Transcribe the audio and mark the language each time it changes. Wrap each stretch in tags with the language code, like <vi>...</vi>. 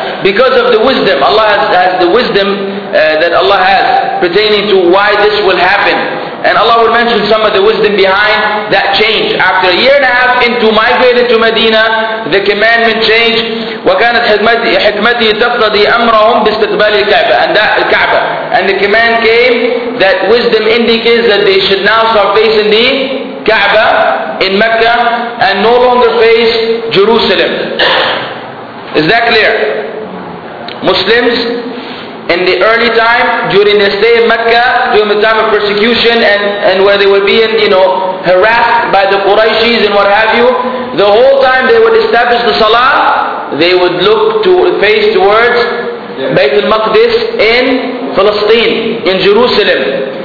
<en>Because of the wisdom, Allah has the wisdom that Allah has pertaining to why this will happen. And Allah will mention some of the wisdom behind that change. After a year and a half into migrating to Medina, the commandment changed.</en> <ar>وَكَانَتْ حِكْمَتِي تَفْرَضِي أَمْرَهُمْ بِاسْتِقْبَالِ الْكَعْبَةِ</ar> <en>And that Kaaba. And the command came, that wisdom indicates that they should now start facing the Kaaba in Mecca and no longer face Jerusalem. Is that clear? Muslims, in the early time, during their stay in Mecca, during the time of persecution and where they were being, you know, harassed by the Qurayshis and what have you, the whole time they would establish the Salah, they would look to face towards Bayt al-Maqdis in Palestine, in Jerusalem.</en>